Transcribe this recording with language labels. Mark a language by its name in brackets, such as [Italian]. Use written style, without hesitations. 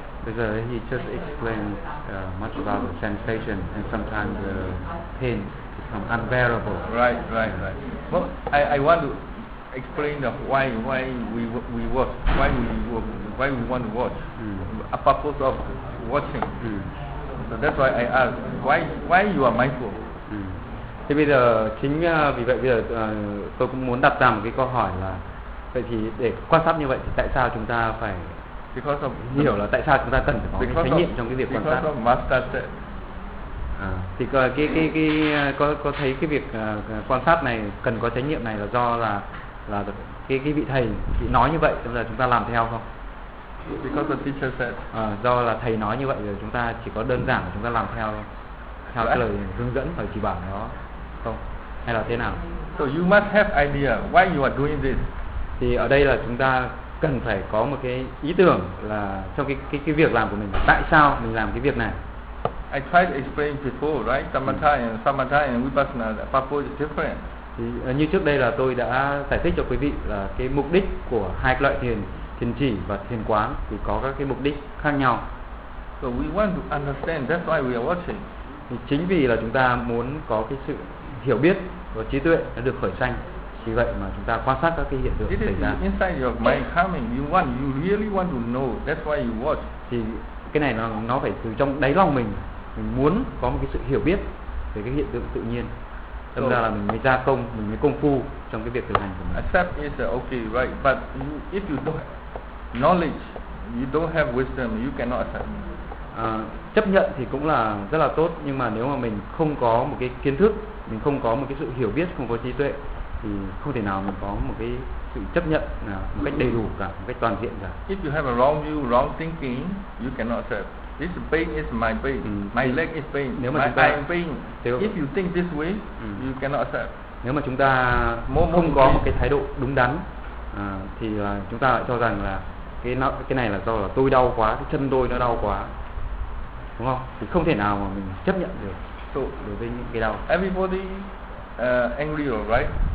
[English] he just explained much about the sensation, and sometimes the pain become unbearable. Right, right, right. Well, I want to explain the why we want to watch. Mm. A purpose of watching. Mm. So that's why I ask why you are mindful. [Vietnamese] Thì bây giờ chính vì vậy bây giờ tôi cũng muốn đặt ra một cái câu hỏi là vậy thì để quan sát như vậy thì tại sao chúng ta phải hiểu là tại sao chúng ta cần phải có cái chánh niệm trong cái việc quan sát. [English] Master said. [Vietnamese] Thì có thấy cái việc quan sát này cần có chánh niệm này là do là cái vị thầy vị nói như vậy bây giờ chúng ta làm theo không? [English] Because the teacher said. [Vietnamese] Do là thầy nói như vậy rồi chúng ta chỉ có đơn giản chúng ta làm theo thôi. Theo cái lời hướng dẫn và chỉ bảo nó không hay là thế nào? [English] So you must have idea why you are doing this. [Vietnamese] Thì ở đây là chúng ta cần phải có một cái ý tưởng là trong cái việc làm của mình tại sao mình làm cái việc này. [English] I tried to explain before, right? Samatha and vipassana, the purpose is different. [Vietnamese] Thì như trước đây là tôi đã giải thích cho quý vị là cái mục đích của hai loại thiền, thiền chỉ và thiền quán thì có các cái mục đích khác nhau. [English] So we want to understand, that's why we are watching. [Vietnamese] Chính vì là chúng ta muốn có cái sự hiểu biết và trí tuệ nó được khởi sanh, vì vậy mà chúng ta quan sát các cái hiện tượng xảy ra. [English] Inside your mind coming, you want, you really want to know. That's why you watch. [Vietnamese] Thì cái này nó phải từ trong đáy lòng mình muốn có một cái sự hiểu biết về cái hiện tượng tự nhiên. Thật ra là mình mới ra công, mình mới công phu trong cái việc thực hành của mình. [English] Accept is okay, right? But you, if you don't have knowledge, you don't have wisdom, you cannot accept. [Vietnamese] Chấp nhận thì cũng là rất là tốt, nhưng mà nếu mà mình không có một cái kiến thức, mình không có một cái sự hiểu biết, không có trí tuệ thì không thể nào mình có một cái sự chấp nhận một cách đầy đủ cả, một cách toàn diện cả. [English] If you have a wrong view, wrong thinking, you cannot accept. This pain is my pain. My leg is pain. [Vietnamese] Nếu mà [English] I am pain. If you think this way, you cannot accept. [Vietnamese] Nếu mà chúng ta không có một cái thái độ đúng đắn thì chúng ta lại cho rằng là cái này là do là tôi đau quá, cái chân tôi nó đau quá. Đúng không? Thì không thể nào mà mình chấp nhận được đối với những cái đau. [English] Everybody angry, right?